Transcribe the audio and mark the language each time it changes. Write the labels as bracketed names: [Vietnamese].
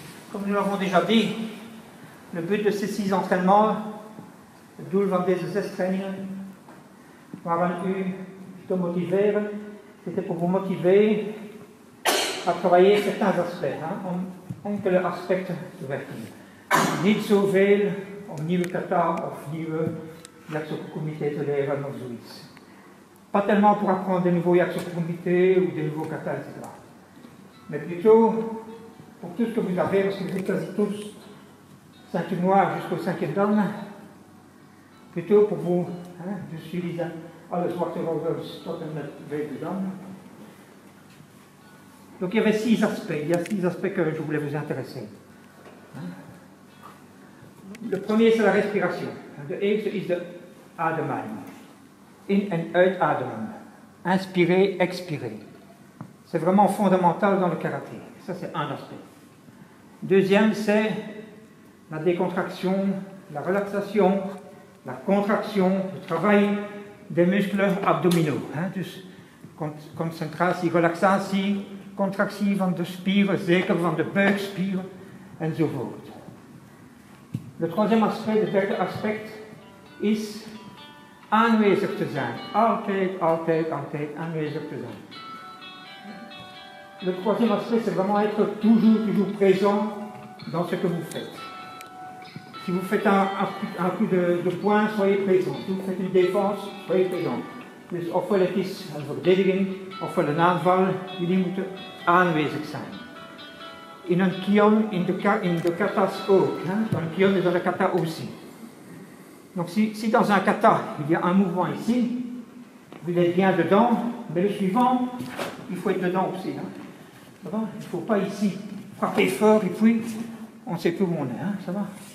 [French] Comme nous l'avons déjà dit, le but de ces 6 entraînements, le [Dutch] doel van deze 6 trainingen, waren u te motiveren, [French] c'était pour vous motiver à travailler certains aspects, hein, [Dutch] om enkele aspecten te werken. Niet zoveel om nieuwe kata of nieuwe yaksokokumite te leren of zoiets. [French] Pas tellement pour apprendre de nouveaux yaksokokumite ou de nouveaux kata, etc. Mais plutôt pour tout ce que vous avez, parce que vous êtes quasi tous ceinture noire jusqu'au cinquième dan, plutôt pour vous, je suis les [Dutch] alles wat erovers tot en met vijfde dan. [French] Donc il y avait 6 aspects, il y a 6 aspects que je voulais vous intéresser. Le premier c'est la respiration. [Dutch] De eerste is de ademhaling. In- en uitademen. [French] Inspirer, expirer. C'est vraiment fondamental dans le karaté. Ça c'est un aspect. Deuxième, c'est la décontraction, la relaxation, la contraction, le travail des muscles abdominaux. [Dutch] Hein, dus concentratie, relaxatie, contractie van de spieren, zeker van de buikspieren, enzovoort. [French] Le troisième aspect, [Dutch] le derde aspect, is aanwezig te zijn. Altijd, altijd, altijd aanwezig te zijn. [French] Le troisième aspect, c'est vraiment être toujours, toujours présent dans ce que vous faites. Si vous faites un coup de poing, soyez présent. Si vous faites une défense, soyez présent. [Dutch] Dus ofwel het is een verdediging, ofwel een aanval, jullie moeten aanwezig zijn. In een kion, in de katas ook. Hein? [French] Dans le kion et dans la kata aussi. Donc si dans un kata, il y a un mouvement ici, vous êtes bien dedans, mais le suivant, il faut être dedans aussi. Hein? Ça va? Il ne faut pas ici frapper fort et puis on ne sait plus où on est. Hein? Ça va?